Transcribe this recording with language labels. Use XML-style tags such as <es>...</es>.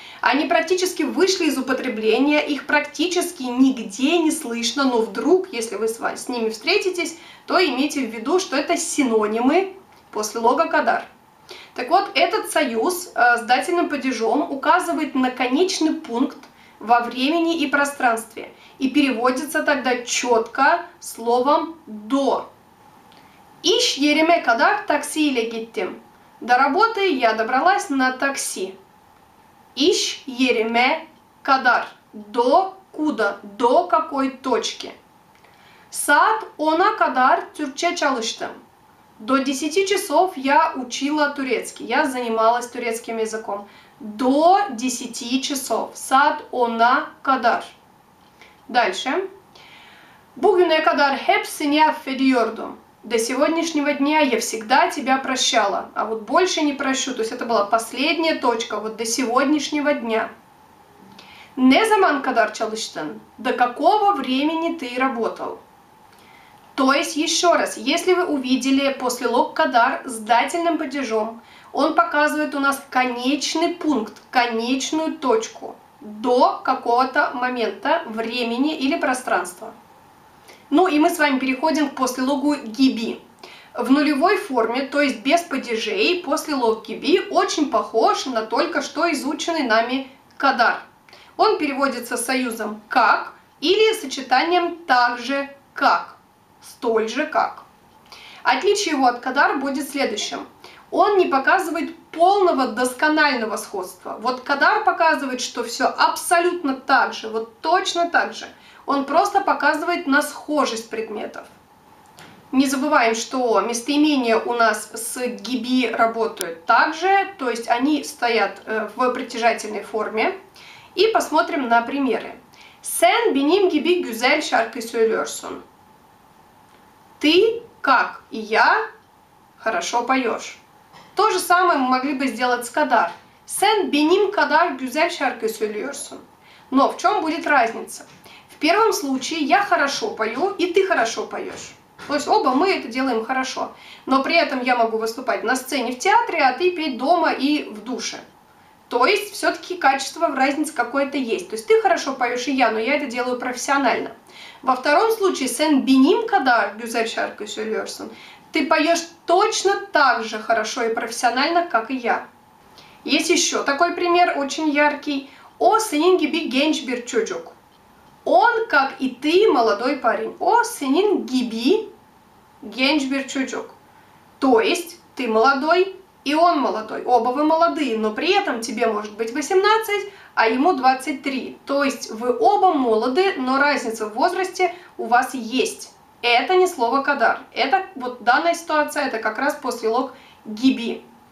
<ru>Они практически вышли из употребления, их практически нигде не слышно, но вдруг, если вы с ними встретитесь, то имейте в виду, что это синонимы послелога kadar. Так вот, этот союз с дательным падежом указывает на конечный пункт во времени и пространстве и переводится тогда четко словом «до».</ru> <tr>Ich yerime kadar taksi ile gittim.</tr> <ru>До работы я добралась на такси.</ru> <tr>Ich yerime kadar.</tr> <ru>До куда? До какой точки?</ru> <tr>Saat ona kadar Türkçe çalıştım.</tr> <ru>До 10 часов я учила турецкий. Я занималась турецким языком. До 10 часов.</ru> <tr>Saat ona kadar.</tr> <ru>Dalsze.</ru> <tr>Bugüne kadar hepsini affediyordum.</tr> <ru>До сегодняшнего дня я всегда тебя прощала. А вот больше не прощу. То есть это была последняя точка. Вот до сегодняшнего дня.</ru> <tr>Ne zaman kadar çalıştın?</tr> <ru>До какого времени ты работал? То есть, еще раз, если вы увидели послелог kadar с дательным падежом, он показывает у нас конечный пункт, конечную точку до какого-то момента времени или пространства. Ну и мы с вами переходим к послелогу gibi. В нулевой форме, то есть без падежей, послелог gibi очень похож на только что изученный нами kadar. Он переводится союзом как или сочетанием также как. Столь же как. Отличие его от kadar будет следующим. Он не показывает полного досконального сходства. Вот kadar показывает, что все абсолютно так же, вот точно так же. Он просто показывает на схожесть предметов. Не забываем, что местоимения у нас с gibi работают так же, то есть они стоят в притяжательной форме. И посмотрим на примеры.</ru> <tr>Sen benim gibi güzel şarkı söylüyorsun.</tr> <ru>Ты, как и я, хорошо поешь. То же самое мы могли бы сделать с kadar.</ru> <tr>Sen benim kadar güzel şarkı söylüyorsun.</tr> <ru>Но в чем будет разница? В первом случае я хорошо пою, и ты хорошо поешь. То есть оба мы это делаем хорошо. Но при этом я могу выступать на сцене в театре, а ты петь дома и в душе. То есть все-таки качество в разнице какое-то есть. То есть ты хорошо поешь, и я, но я это делаю профессионально. Во втором случае,</ru> <tr>sen benim kadar güzel şarkı söylüyorsun,</tr> <ru>ты поешь точно так же хорошо и профессионально, как и я. Есть еще такой пример, очень яркий.</ru> <tr>O senin gibi genç bir çocuk.</tr> <ru>Он, как и ты, молодой парень.</ru> <tr>O senin gibi genç bir çocuk.</tr> <ru>То есть, ты молодой и он молодой. Оба вы молодые, но при этом тебе может быть 18, а ему 23. То есть вы оба молоды, но разница в возрасте у вас есть. Это не слово kadar. Это вот данная ситуация, это как раз послелог gibi.</ru>